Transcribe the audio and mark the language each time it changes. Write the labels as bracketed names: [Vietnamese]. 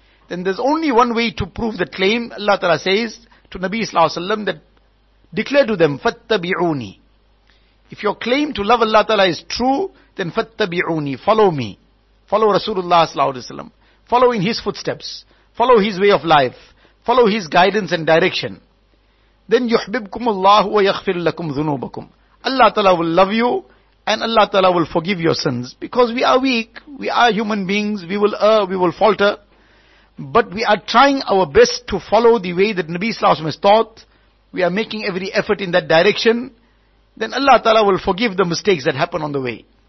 [English] Then there's only one way to prove that claim. Allah Ta'ala says to Nabi Sallallahu Alaihi Wasallam that declare to them, [Arabic] فَاتَّبِعُونِي. [English] If your claim to love Allah Ta'ala is true, then [Arabic] فَاتَّبِعُونِي. [English] Follow me. Follow Rasulullah Sallallahu Alaihi Wasallam. Follow in his footsteps. Follow his way of life. Follow his guidance and direction. Then [Arabic] يُحْبِبْكُمُ اللَّهُ وَيَغْفِرْ لَكُمْ ذُنُوبَكُمْ. [English] Allah Ta'ala will love you and Allah Ta'ala will forgive your sins. Because we are weak, we are human beings, we will err, we will falter. But we are trying our best to follow the way that Nabi Sallallahu Alaihi Wasallam has taught. We are making every effort in that direction. Then Allah Ta'ala will forgive the mistakes that happen on the way.